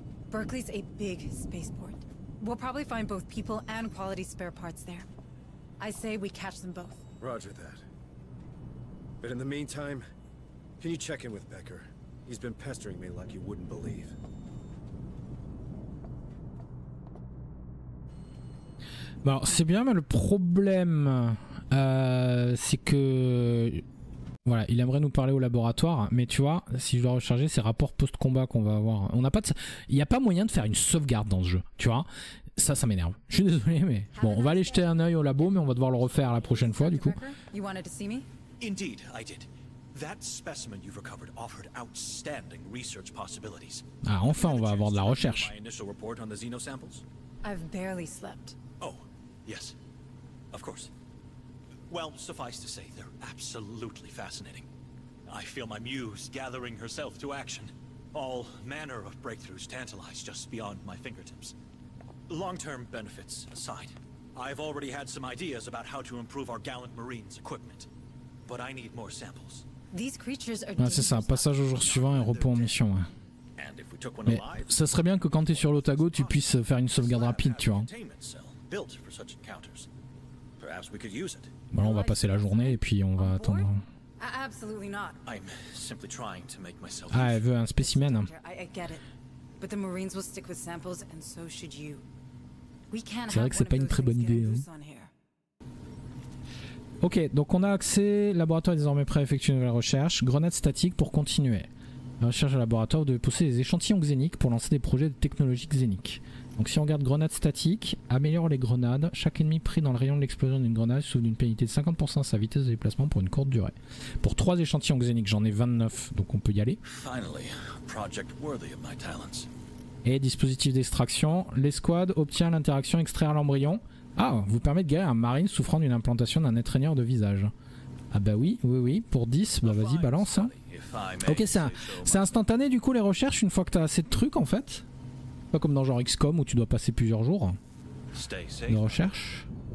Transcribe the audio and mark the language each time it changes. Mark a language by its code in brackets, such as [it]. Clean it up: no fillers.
[en] Berkeley's a big spaceport. We'll probably find both people and quality spare parts there. I say we catch them both. Roger that. But in the meantime, can you check in with Becker? He's been pestering me like you wouldn't believe. [fr] Bon, c'est bien, mais le problème, c'est que... Voilà, il aimerait nous parler au laboratoire, mais tu vois, si je dois recharger, c'est rapport post-combat qu'on va avoir. On n'a pas de... Il n'y a pas moyen de faire une sauvegarde dans ce jeu, tu vois. Ça, ça m'énerve. Je suis désolé, mais... Bon, on va aller jeter un œil au labo, mais on va devoir le refaire la prochaine fois, du coup. [en] You wanted to see me? Indeed, I did. That specimen you've recovered offered outstanding research possibilities. [fr] Ah, enfin, on va avoir de la recherche. [en] My initial report on the Xeno samples? I've barely slept. Oh, yes. Of course. Well, suffice to say, they're absolutely fascinating. I feel my muse gathering herself to action. All manner of breakthroughs tantalize just beyond my fingertips. Long-term benefits aside, I've already had some ideas about how to improve our gallant Marines' equipment. But I need more samples. These creatures are... [fr] Ah, c'est ça, passage au jour suivant et repos en mission. Ouais. [en] And if we took one alive, [fr] ça serait bien que quand tu es sur l'Otago, tu puisses faire une sauvegarde rapide, tu vois. [en] Built for such encounters. Perhaps we could use it. [fr] Bon, on va passer la journée et puis on va attendre. [en] Absolutely not. I'm simply trying to make myself... [fr] Ah, elle veut un spécimen. [en] I get it. But the Marines will stick with samples and so should you. We can't... [fr] C'est vrai que c'est pas une très bonne idée. Ok, donc on a accès, laboratoire est désormais prêt à effectuer une nouvelle recherche. Grenade statique pour continuer. La recherche au laboratoire, vous devez pousser des échantillons xéniques pour lancer des projets de technologie xénique. Donc si on regarde grenade statique, améliore les grenades. Chaque ennemi pris dans le rayon de l'explosion d'une grenade souffre d'une pénalité de 50% à sa vitesse de déplacement pour une courte durée. Pour 3 échantillons xéniques, j'en ai 29, donc on peut y aller. [en] Finally, project worthy of my talents. [fr] Et dispositif d'extraction, l'escouade obtient l'interaction extraire l'embryon. Ah, vous permet de guérir un marine souffrant d'une implantation d'un étreigneur de visage. Ah bah oui, oui, oui, pour 10, bah vas-y, balance. Hein. Ok, c'est instantané du coup les recherches une fois que t'as assez de trucs en fait. Pas comme dans genre XCOM où tu dois passer plusieurs jours de recherche.